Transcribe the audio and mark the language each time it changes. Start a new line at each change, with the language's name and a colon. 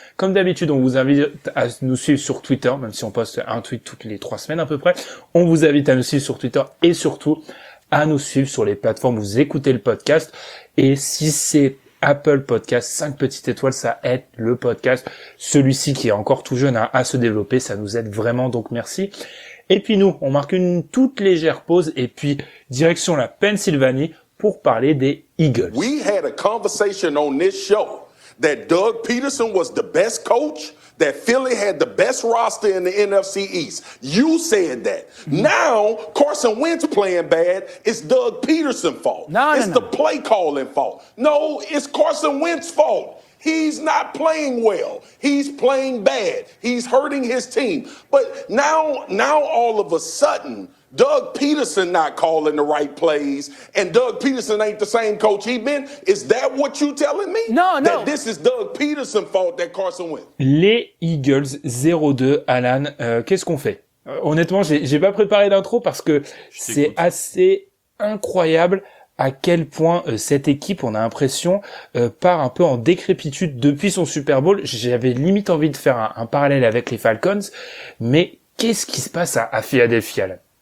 French: Comme d'habitude, on vous invite à nous suivre sur Twitter, même si on poste un tweet toutes les 3 semaines à peu près, on vous invite à nous suivre sur Twitter et surtout à nous suivre sur les plateformes où vous écoutez le podcast, et si c'est Apple Podcast, 5 petites étoiles, ça aide le podcast, celui-ci qui est encore tout jeune à se développer, ça nous aide vraiment, donc merci. Et puis nous, on marque une toute légère pause et puis direction la Pennsylvanie pour parler des Eagles.
English: We had a conversation on this show that Doug Peterson was the best coach, that Philly had the best roster in the NFC East. You said that. Now, Carson Wentz playing bad, it's Doug Peterson's fault. No. The play calling fault. No, it's Carson Wentz's fault. He's not playing well. He's playing bad. He's hurting his team. But now all of a sudden, Doug Peterson not calling the right plays, and Doug Peterson ain't the same coach he been. Is that what you telling me? No. That this is Doug Peterson's fault that Carson went.
French: Les Eagles 0-2, Alan, qu'est-ce qu'on fait? Honnêtement, j'ai pas préparé d'intro parce que c'est assez incroyable à quel point cette équipe, on a l'impression, part un peu en décrépitude depuis son Super Bowl. J'avais limite envie de faire un parallèle avec les Falcons, mais qu'est-ce qui se passe à Philadelphia, là?